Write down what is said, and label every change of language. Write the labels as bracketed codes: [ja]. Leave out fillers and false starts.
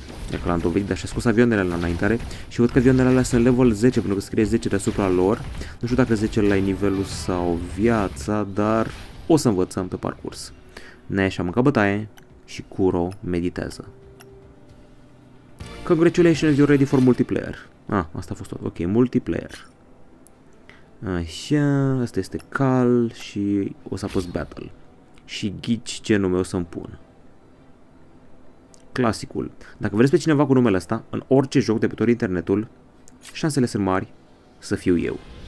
[ro] Dacă l-am dovedit, dar și-a scos avioanele la înaintare. Și văd că avioanele alea sunt level 10, pentru că scrie 10 deasupra lor. Nu știu dacă 10 la nivelul sau viața, dar o să învățăm pe parcurs. Nash a mâncat bătaie și Kuro meditează. [en] Congratulations, you're ready for multiplayer. [ro] Ah, asta a fost tot. Ok, multiplayer. Așa, asta este Cal și o să apăs Battle. Și ghici ce nume o să-mi pun. Clasicul. Dacă vreți pe cineva cu numele ăsta, în orice joc de pe tot internetul, șansele sunt mari să fiu eu.